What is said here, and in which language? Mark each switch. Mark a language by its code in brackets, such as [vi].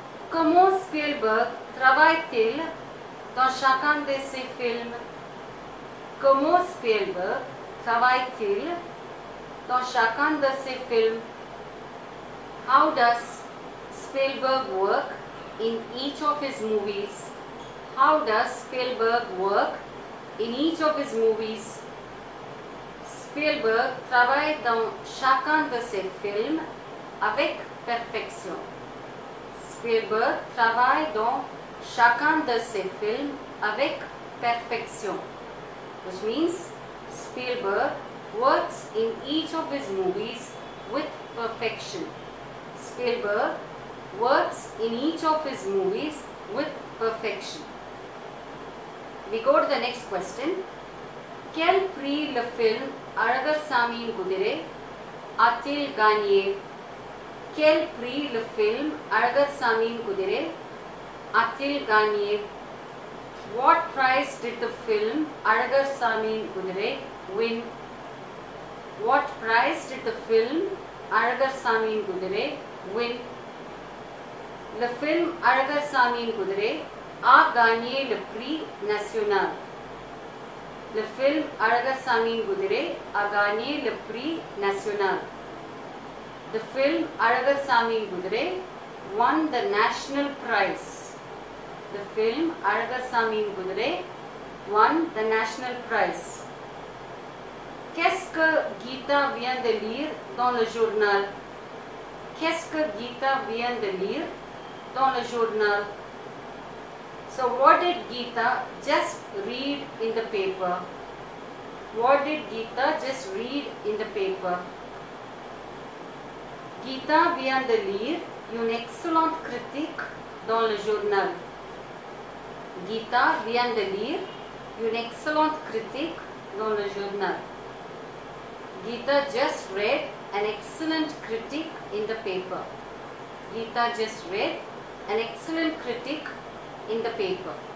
[fr] Comment Spielberg travaille-t-il dans chacun de ses films? Comment Spielberg travaille-t-il dans chacun de ses films? [en] How does Spielberg work in each of his movies? How does Spielberg work in each of his movies? [fr] Spielberg travaille dans chacun de ses films avec perfection. Spielberg travaille dans chacun de ses films avec perfection. [en] Which means Spielberg works in each of his movies with perfection. Spielberg works in each of his movies with perfection. We go to the next question. [fr] Quel prix le film Aragar Samin Kudire a-t-il gagné? Quel prix le film Aragar Samin Kudire a-t-il gagné? [en] What prize did the film Aragar Samin Kudire win? What prize did the film Aragar Samin Kudire win? The film [fr] Aragar Samin Kudire a gagné le prix national. [en] The film [fr] Aragar Samin Kudire a gagné le prix national. [en] The film Aragar Samin Kudire won the national prize. The film Aragar Samin Kudire won the national prize. [fr] Qu'est-ce que Geeta vient de lire dans le journal? Qu'est-ce que Geeta vient de lire dans le journal? [en] So what did Geeta just read in the paper? What did Geeta just read in the paper? [fr] Geeta vient de lire une excellente critique dans le journal. Geeta vient de lire une excellente critique dans le journal. [en] Geeta just read an excellent critique in the paper. Geeta just read an excellent critique in the paper.